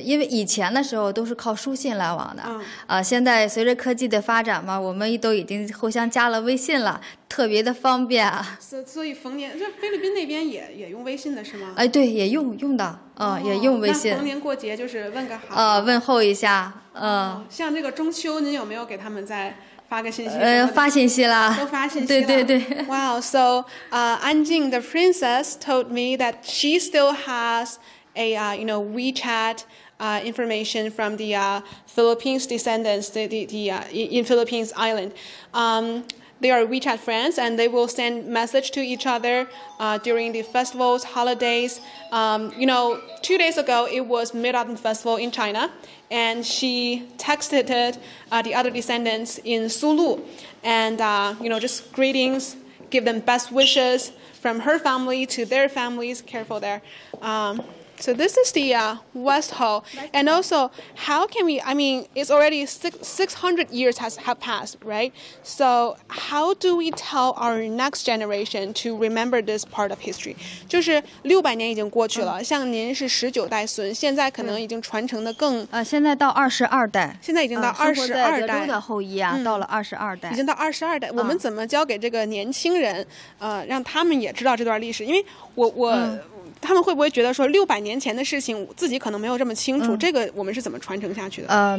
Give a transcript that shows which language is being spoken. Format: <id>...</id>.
<zh>因为以前的时候都是靠书信来往的，现在随着科技的发展嘛，我们都已经互相加了微信了。特别的方便啊！所以逢年，这菲律宾那边也用微信的是吗？哎，对，也用的，也用微信。那逢年过节就是问个好，问候一下，像这个中秋，您有没有给他们在发个信息。发信息啦。都发信息了。对对对。</zh> <en>Wow, so, Anjing, the princess, told me that she still has a, you know, WeChat, information from the, Philippines descendants, in Philippines island. They are WeChat friends, and they will send message to each other during the festivals, holidays. You know, 2 days ago, it was Mid-Autumn Festival in China, and she texted the other descendants in Sulu, and, you know, just greetings, give them best wishes from her family to their families, careful there. So this is the West Hall. And also, how can we, I mean, it's already 600 years have passed, right? So how do we tell our next generation to remember this part of history?</en> <zh>就是600年已经过去了，像您是19代孙，现在可能已经传承的更。现在到22代。现在已经到22代。生活在德州的后裔啊，到了22代。已经到22代，我们怎么教给这个年轻人，让他们也知道这段历史？因为我。他们会不会觉得说六百年前的事情自己可能没有这么清楚，这个我们是怎么传承下去的？</zh>